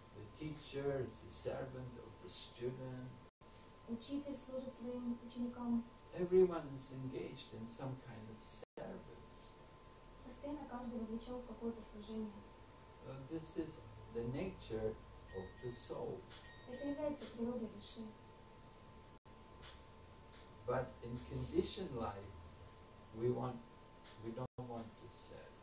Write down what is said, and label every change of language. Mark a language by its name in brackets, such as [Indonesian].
[English] The teacher is the servant of the students. [Russian] Учитель служит своим ученикам. [English] Everyone is engaged in some kind of service. [Russian] Постоянно каждый вовлечен в какое-то служение. [English] This is the nature of the soul. [Russian] Это является природой души. [English] But in conditioned life, we don't want to serve.